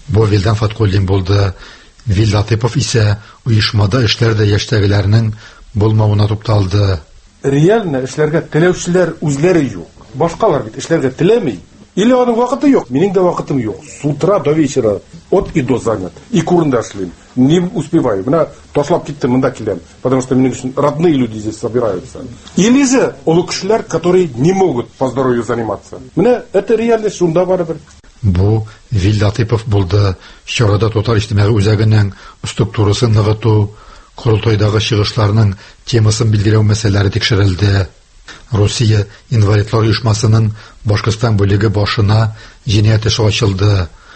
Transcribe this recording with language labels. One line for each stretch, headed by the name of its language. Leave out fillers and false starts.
Tatar: Бу Вилдан Фаткуллин булды. Вилдан Атипов исә уйышмада эшләрдә яшьтәгеләрнең булмавына тукталды. Реальны эшләргә теләүчеләр үзләре юк. Башкалар бит эшләргә теләми.
Russian: Или
Tatar: аның вакыты юк, минең дә вакытым юк.
Russian: С утра до вечера от и до занят.
Tatar: И курында эшлим.
Russian: Не успеваю.
Tatar: Мына ташлап киттем, монда киләм.
Russian: Потому что
Tatar: минең өчен
Russian: родные люди здесь собираются. Или же
Tatar: олы кешеләр,
Russian: которые не могут по здоровью заниматься.
Tatar: Мына
Russian: это реальность
Tatar: шунда барыбер. Бу Вилда Атипов булды. Чарада Татар иҗтимагый үзәгенең структурасын ныгыту, курултайдагы чыгышларның темасын билгеләү мәсьәләләре тикшерелде. Россия инвалидлар оешмасының Башкортстан бүлеге башына җинаять эше ачылды.